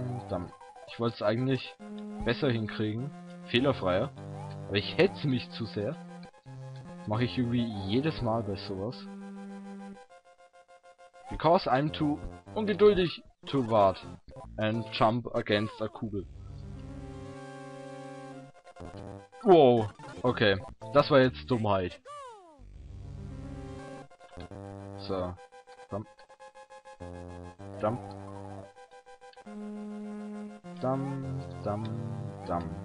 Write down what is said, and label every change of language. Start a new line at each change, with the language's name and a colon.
German: Dann. Ich wollte es eigentlich besser hinkriegen. Fehlerfreier. Aber ich hetze mich zu sehr. Mache ich irgendwie jedes Mal bei sowas.
English: Because I'm too
German: ungeduldig
English: to wait and jump against a
German: Kugel. Wow, okay, das war jetzt Dummheit.
English: So, jump, jump, jump, jump, jump.